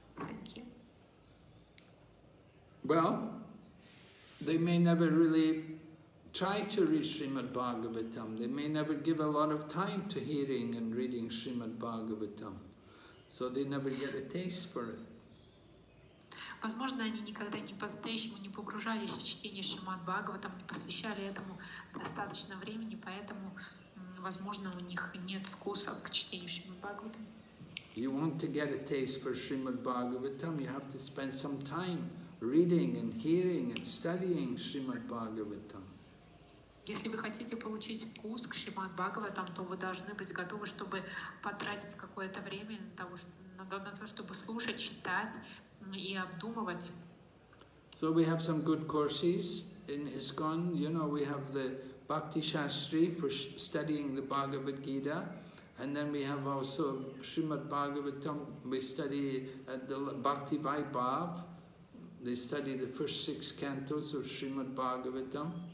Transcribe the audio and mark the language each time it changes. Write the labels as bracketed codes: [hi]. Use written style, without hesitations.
[en] Thank you. Well, they may never really try to read Srimad Bhagavatam. They may never give a lot of time to hearing and reading Srimad Bhagavatam. So they never get a taste for it. [ru] Возможно, они никогда не по-настоящему не погружались в чтение Шримад Бхагаватам, не посвящали этому достаточно времени, поэтому, возможно, у них нет вкуса к чтению Шримад Бхагаватам. [en] You want to get a taste for Srimad Bhagavatam, you have to spend some time reading and hearing and studying Srimad Bhagavatam. [ru] Если вы хотите получить вкус к Шримад Бхагаватам, то вы должны быть готовы, чтобы потратить какое-то время на то, чтобы слушать, читать и обдумывать. [en] So we have some good courses in ISKCON. You know, we have the Bhakti Shastri for studying the Bhagavad Gita, and then we have also Shrimad Bhagavatam. We study at the Bhakti Vaibhav. They study the first six cantos of Shrimad Bhagavatam.